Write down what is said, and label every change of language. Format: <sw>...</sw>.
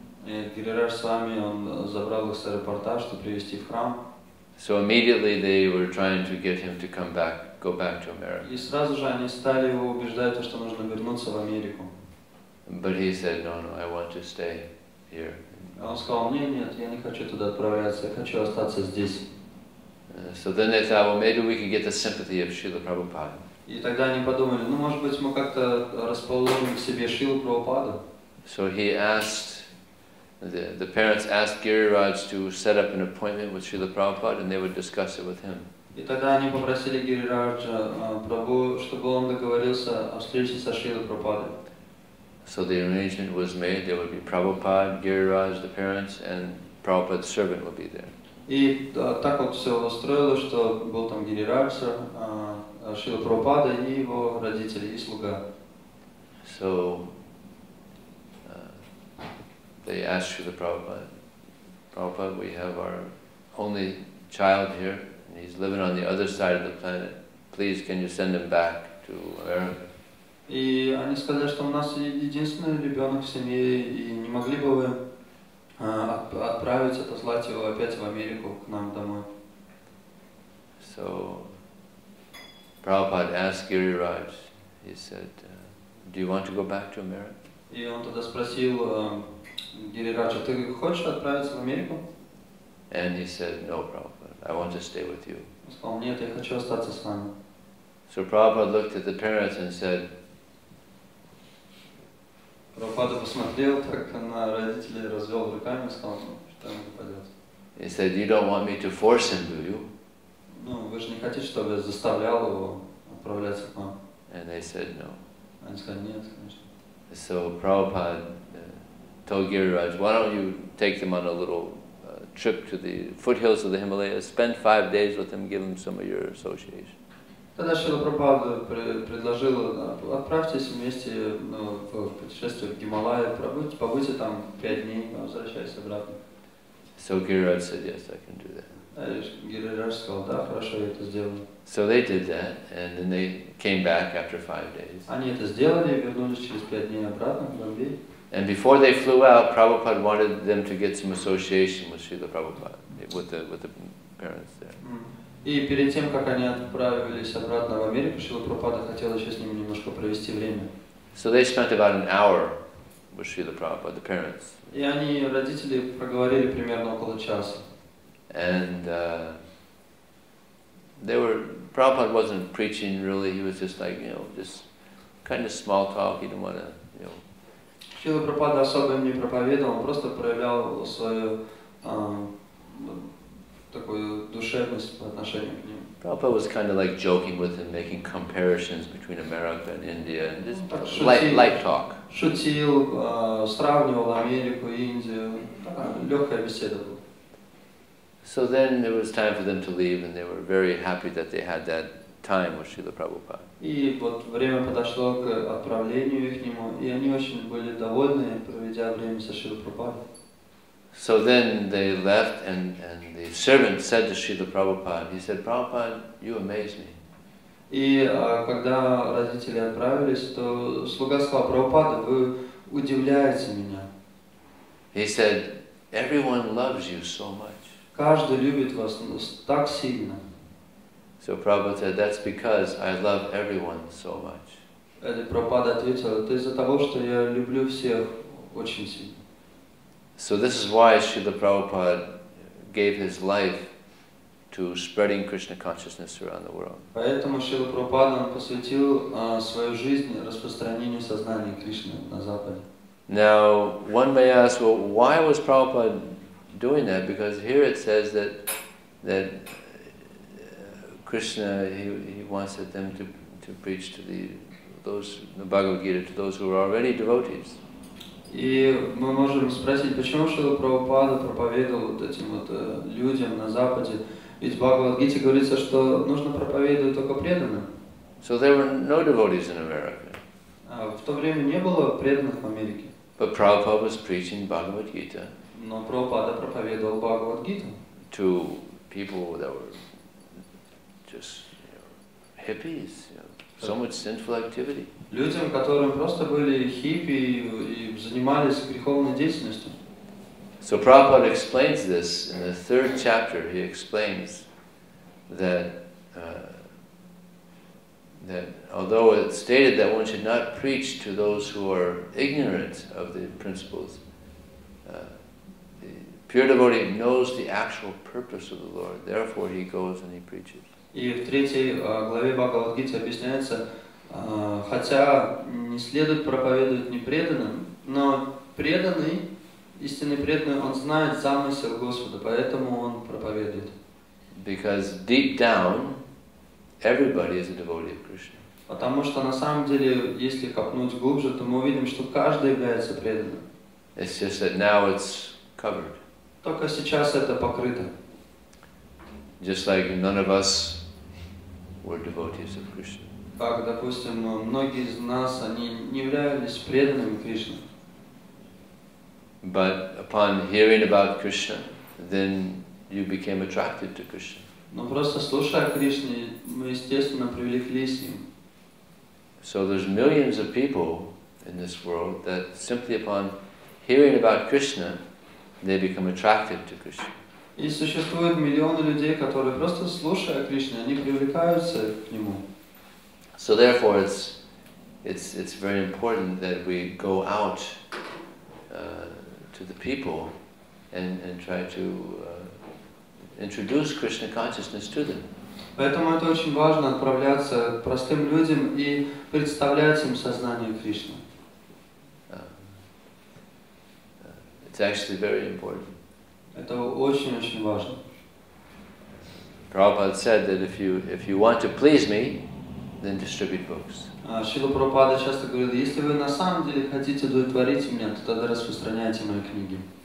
<ru>И Гирирадж с вами он забрал их с аэропорта, чтобы привезти в храм.</ru> <en>So immediately they were trying to get him to come back, go back to America.</en> <ru>И сразу же они стали его убеждать, что нужно вернуться в Америку.</ru> <en>But he said, "No, no, I want to stay here."</en> <ru>Он сказал: "Нет, нет, я не хочу туда отправляться, я хочу остаться здесь."</ru> <en>So then they thought, "Well, maybe we can get the sympathy of Srila Prabhupada."</en> <ru>И тогда они подумали: "Ну, может быть, мы как-то расположим к себе Шрилу Прабхупаду."</ru> <en>So he asked. The parents asked Giriraj to set up an appointment with Srila Prabhupada and they would discuss it with him.</en> <ru>И тогда они попросили Гирираджа Прабху, чтобы он договорился о встрече со Шрилой Прабхупадой.</ru> <en>So the arrangement was made. There would be Prabhupada, Giriraj, the parents, and Prabhupada's servant would be there.</en> <ru>И так вот все устроилось, что был там Гирирадж, Шрила Прабхупада и его родители и слуга.</ru> <en>So they asked Srila Prabhupada, "Prabhupada, we have our only child here, and he's living on the other side of the planet. Please, can you send him back to America?"</en> <ru>И они сказали, что у нас единственный ребенок в семье, и не могли бы вы отправить, отослать его опять в Америку к нам домой.</ru> <en>So Prabhupada asked Giriraj. He said, "Do you want to go back to America?"</en> <ru>И он тогда спросил Гирираджа, ты хочешь отправиться в Америку?</ru> <en>And he said, "No, Prabhupada, I want to stay with you."</en> <ru>Он сказал, нет, я хочу остаться с вами.</ru> <en>So Prabhupada looked at the parents and said,</en> <ru>Прабхупада посмотрел так на родителей, развел руками и сказал, ну, что ему попадет.</ru> <en>He said, "You don't want me to force him, do you?"</en> <ru>Ну, вы же не хотите, чтобы я заставлял его отправляться к вам.</ru> <en>And they said, "No."</en> <ru>Они сказали, нет, конечно.</ru> <en>So Prabhupada told Giriraj, "Why don't you take them on a little trip to the foothills of the Himalayas, spend 5 days with them, give them some of your association."</en> <ru>Тогда Шрила Прабхупада предложил, отправьтесь вместе в путешествие в Гималайи, побудьте там 5 дней, возвращайся обратно.</ru> <en>So Giriraj said, "Yes, I can do that."</en> <ru>Giriraj сказал, да, хорошо, я это сделаю.</ru> <en>So they did that, and then they came back after 5 days.</en> <ru>Они это сделали, вернулись через 5 дней обратно в Бомбей.</ru> <en>And before they flew out, Prabhupada wanted them to get some association with Srila Prabhupada, with the parents there.</en> <ru>И перед тем, как они отправились обратно в Америку, Шрила Прабхупада хотел еще с ними немножко провести время.</ru> <en>So they spent about an hour with Srila Prabhupada, the parents.</en> <ru>И они, родители, проговорили примерно около часа.</ru> <en>And they were, Prabhupada wasn't preaching really, he was just like, you know, just kind of small talk, he didn't want to, you know.</en> <ru>Шрила Прабхупада особо не проповедовал, он просто проявлял свою такую душевность по отношению к ним.</ru> <en>Prabhupada was kind of like joking with him, making comparisons between America and India, and just light talk.</en> <ru>Шутил, сравнивал Америку и Индию, такая легкая беседа была.</ru> <en>So then it was time for them to leave, and they were very happy that they had that time with Srila Prabhupada.</en> <ru>И вот время подошло к отправлению их к нему, и они очень были довольны, проведя время со Шрилой Прабхупадой.</ru> <en>So then they left, and the servant said to Srila Prabhupada, he said, Prabhupada, you amaze me.</en> <ru>И когда родители отправились, то слуга сказал, Прабхупада, вы удивляете меня.</ru> <en>He said, everyone loves you so much.</en> <ru>Каждый любит вас так сильно.</ru> <en>So Prabhupada said, that's because I love everyone so much.</en> <ru>И Прабхупада ответил, это из-за того, что я люблю всех очень сильно.</ru> <en>So this is why Srila Prabhupada gave his life to spreading Krishna consciousness around the world.</en> <ru>Поэтому Шрила Прабхупада посвятил свою жизнь распространению сознания Кришны на Западе.</ru> <en>Now one may ask, well, why was Prabhupada doing that? Because here it says that Krishna he wants them to preach to the Bhagavad Gita to those who are already devotees.</en> <ru>И мы можем спросить, почему Шрила Прабхупада проповедовал вот этим вот людям на Западе? Ведь в Бхагавад-гите говорится, что нужно проповедовать только преданным.</ru> <en>So there were no devotees in America.</en> <ru>В то время не было преданных в Америке.</ru> <en>But Prabhupada was preaching Bhagavad-gita.</en> <ru>Но Прабхупада проповедовал Бхагавад-гиту.</ru> <en>To people that were just, you know, hippies, you know, so much sinful activity.</en> <ru>Людям, которым просто были хиппи и занимались греховной деятельностью.</ru> <en>So Prabhupada explains this in the third chapter. He explains that although it's stated that one should not preach to those who are ignorant of the principles, the pure devotee knows the actual purpose of the Lord. Therefore, he goes and he preaches.</en> <ru>И в третьей главе Бхагавад-гиты объясняется. Хотя не следует проповедовать непреданным, но преданный, истинный преданный, он знает замысел Господа, поэтому он проповедует.</ru> <en>Because deep down, everybody is a devotee of Krishna.</en> <ru>Потому что на самом деле, если копнуть глубже, то мы увидим, что каждый является преданным.</ru> <en>It's just that now it's covered.</en> <ru>Только сейчас это покрыто.</ru> <en>Just like none of us were devotees of Krishna.</en> <ru>Как, допустим, многие из нас, они не являлись преданными Кришне.</ru> <en>But upon hearing about Krishna, then you became attracted to Krishna.</en> <ru>Но просто слушая Кришне, мы естественно привлеклись им.</ru> <en>So there's millions of people in this world that simply upon hearing about Krishna, they become attracted to Krishna.</en> <ru>И существует миллионы людей, которые просто слушая Кришне, они привлекаются к нему.</ru> <en>So therefore, it's very important that we go out to the people and try to introduce Krishna consciousness to them.</en> <ru>Поэтому это очень важно отправляться к простым людям и представлять им сознание Кришны.</ru> <en>It's actually very important.</en> <ru>Это очень очень важно.</ru> <en>Prabhupada said that if you want to please me. Then distribute books.</en> <ru>Шрила Прабхупада часто говорил, если вы на самом деле хотите удовлетворить меня, то тогда распространяйте мои книги.</ru>